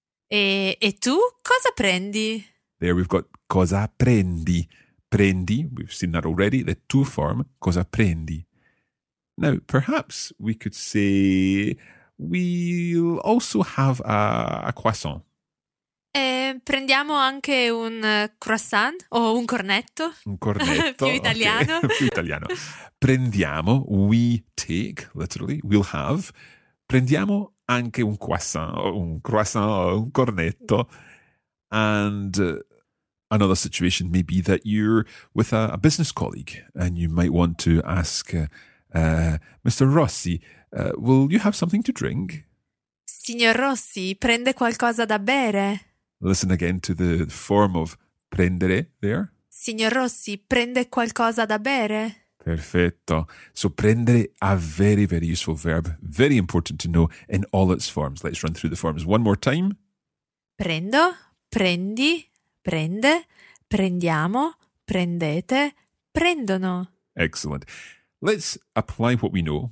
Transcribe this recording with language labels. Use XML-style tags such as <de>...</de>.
<it>E tu cosa prendi?</it> <en>There we've got</en> <it>cosa prendi. Prendi,</it> <en>we've seen that already, the tu form,</en> <it>cosa prendi.</it> <en>Now, perhaps we could say, we'll also have a croissant.</en> <it>Prendiamo anche un croissant o un cornetto. Un cornetto. Più italiano. Più italiano. Prendiamo,</it> <en>we take, literally, we'll have.</en> <it>Prendiamo anche un croissant, un croissant, un cornetto.</it> <en>And another situation may be that you're with a business colleague and you might want to ask Mr. Rossi, will you have something to drink?</en> <it>Signor Rossi, prende qualcosa da bere?</it> <en>Listen again to the form of prendere there.</en> <it>Signor Rossi, prende qualcosa da bere?</it> <en>Perfetto. So prendere, a very, very useful verb. Very important to know in all its forms. Let's run through the forms one more time.</en> <it>Prendo, prendi, prende, prendiamo, prendete, prendono.</it> <en>Excellent. Let's apply what we know.</en>